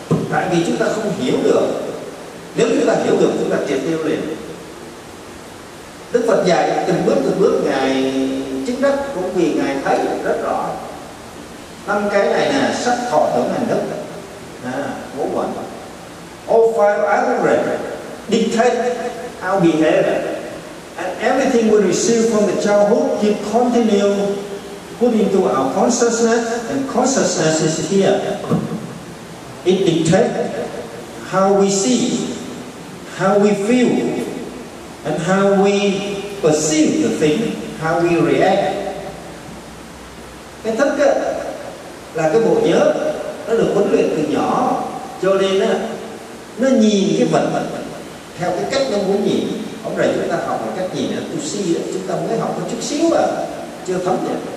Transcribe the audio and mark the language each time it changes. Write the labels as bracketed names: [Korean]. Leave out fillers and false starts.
[Vietnamese] Tại vì chúng ta không hiểu được. Nếu chúng ta hiểu được, chúng ta triệt tiêu liền. Đức Phật dạy từng bước ngài chứng đắc cũng vì ngài thấy rất rõ. Năm cái này là sắc thọ tưởng hành thức, ngũ uẩn. [English] All five aggregate dictate our behavior, and everything we receive from the childhood keep continue put into our consciousness, and consciousness is here. It dictates how we see, how we feel, and how we perceive the thing, how we react. [Vietnamese] Cái thức là cái bộ nhớ, nó được huấn luyện từ nhỏ, cho nên nó nhìn cái vật theo cái cách nó muốn nhìn. Hôm nay chúng ta học cái cách nhìn là tu si, chúng ta mới học có chút xíu mà chưa thấm được.